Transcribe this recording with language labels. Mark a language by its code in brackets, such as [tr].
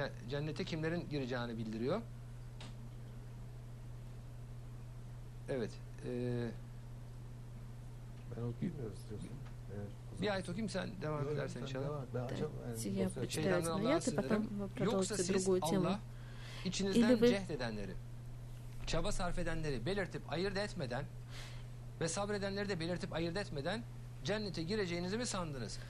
[tr] Cennete kimlerin gireceğini bildiriyor. Evet. Ben okuyayım mı istiyorsun? Bir ayet okuyayım, sen devam edersen inşallah. [ru] Я почитаю один аят, и потом продолжим другую тему. [tr] İçinizden cehd edenleri, çaba sarf edenleri belirtip ayırt etmeden ve sabredenleri de belirtip ayırt etmeden cennete gireceğinizi mi sandınız?